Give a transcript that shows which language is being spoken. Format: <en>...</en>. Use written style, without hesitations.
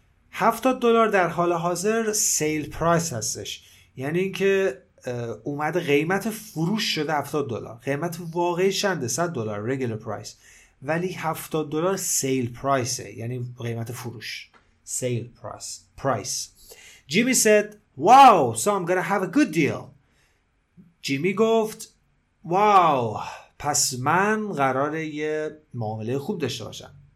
<fa>$70 در حال حاضر sale price هستش، یعنی اینکه اومده قیمت فروش شده $70. قیمت واقعی چنده؟ $100 regular price، ولی $70 sale price یعنی قیمت فروش sale price.</fa> <en>Jimmy said wow so I'm gonna have a good deal.</en> <fa>Jimmy گفت wow پس من قراره یه معامله خوب داشته باشم.</fa>